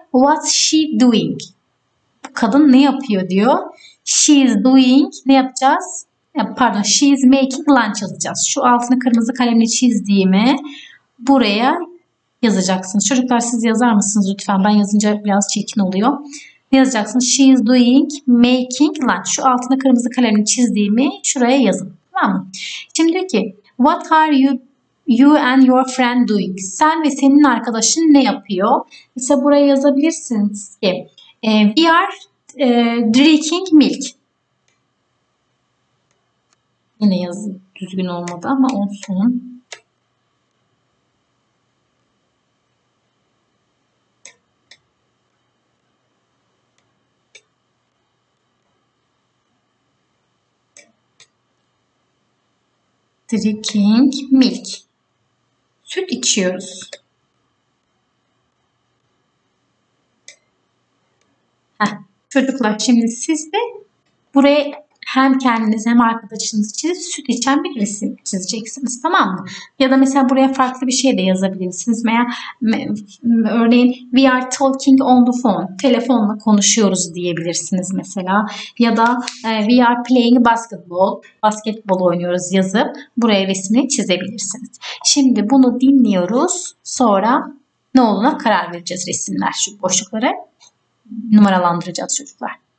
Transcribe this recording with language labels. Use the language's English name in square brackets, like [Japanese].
[English] What's she doing? [Turkish] Kadın ne yapıyor diyor. [English] She's doing, [Turkish] ne yapacağız? Pardon, [English] she's making lunch [Turkish] yazacağız. Şu altını kırmızı kalemle çizdiğimi buraya yazacaksınız. Çocuklar siz yazar mısınız lütfen? Ben yazınca biraz çirkin oluyor. Ne yazacaksınız? [English] She is doing making lunch. [Turkish] Şu altında kırmızı kalemle çizdiğimi şuraya yazın. Tamam mı? Şimdi diyor ki [English] what are you and your friend doing? [Turkish] Sen ve senin arkadaşın ne yapıyor? Mesela buraya yazabilirsiniz ki [English] we are drinking milk. [Turkish] Yine yazı düzgün olmadı ama olsun. [English] Drinking milk. [Turkish] Süt içiyoruz. Çocuklar şimdi siz de buraya hem kendiniz hem arkadaşınız için süt içen bir resim çizeceksiniz. Tamam mı? Ya da mesela buraya farklı bir şey de yazabilirsiniz. Veya örneğin [English] we are talking on the phone. [Turkish] Telefonla konuşuyoruz diyebilirsiniz mesela. Ya da [English] we are playing basketball. [Turkish] Basketbol oynuyoruz yazıp buraya resmini çizebilirsiniz. Şimdi bunu dinliyoruz. Sonra ne olduğuna karar vereceğiz resimler. Şu boşlukları numaralandıracağız çocuklar.